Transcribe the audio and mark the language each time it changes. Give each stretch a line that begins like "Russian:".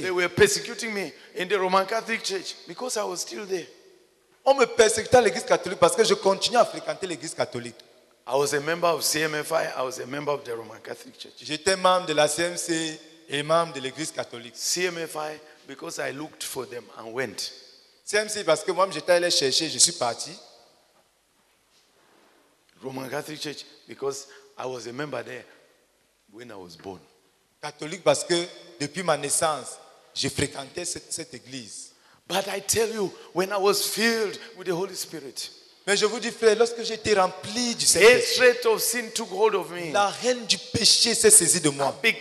English: They were persecuting me in the Roman Catholic Church because I was still there.
French: On me persécutait à l'église catholique parce que je continuais à fréquenter l'église catholique.
English: I was a member of CMFI, I was a member of the Roman Catholic Church.
French: J'étais membre de la CMC et membre de l'église catholique.
English: CMFI because I looked for them and went.
French: CMC parce que moi j'étais allé chercher, je suis parti.
English: Roman Catholic Church because I was a member there. When I was born.
French: Catholique parce que depuis ma naissance, je fréquentais cette église.
English: But I tell you, when I was filled with the Holy Spirit.
French: Mais je vous dis frère, lorsque j'étais rempli du Saint-Esprit.
English: Hatred of sin took hold of me.
French: La haine du péché s'est saisie de moi.